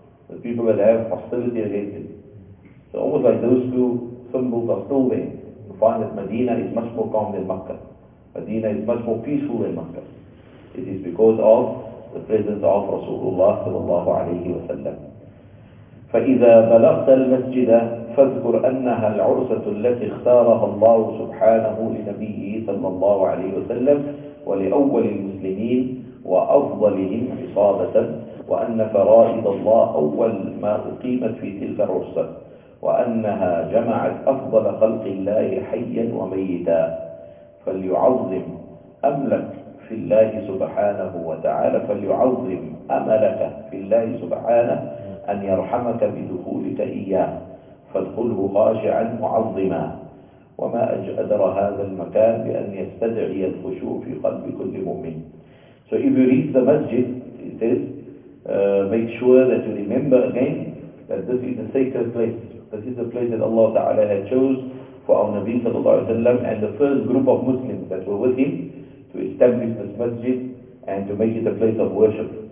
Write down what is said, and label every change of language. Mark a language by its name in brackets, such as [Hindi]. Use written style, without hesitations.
[English] The people that have hostility against him. So almost like those two symbols are still there. You find that Medina is much more calm than Makkah. Medina is much more peaceful than Makkah. It is because of the presence of Rasulullah sallallahu alayhi wa sallam. [Arabic] فَإِذَا بَلَغْتَ الْمَسْجِدَ فَاذْكُرْ أَنَّهَا الْعُرْسَةُ الَّتِي اخْتَارَهَا اللَّهُ سُبْحَانَهُ لِنَبِيِّهِ صَلَّى اللَّهُ عَلَيْهِ وَسَلَّمْ وَلِأَوَّلِ الْمُسْلِمِينَ وَأَفْضَلِهِمْ عِصَابَةً وَأَنَّ فَرَائِضَ اللَّهِ أَوَّلْ مَا أُقِيمَتْ فِي تِلْكَ الْعُرْسَةِ وَأَنَّهَا جَمَعَتْ أَفْضَلَ خَلْقِ اللَّهِ حَيًّا وَمَيِّتًا فَلْيُعَظِّمْ أَمْلَكَ في الله سبحانه وتعالى فليعظم أملك في الله سبحانه أن يرحمك بدخولك إياه فادخله خاشعا معظما وما أجدر هذا المكان بأن يستدعي الخشوع في قلب كل مؤمن. [English] So if you read the masjid, it says, make sure that you remember again that this is a sacred place. This is the place that Allah Ta'ala had chose for our Nabi [Arabic] صلى الله عليه وسلم [English] and the first group of Muslims that were with him to establish this masjid and to make it a place of worship.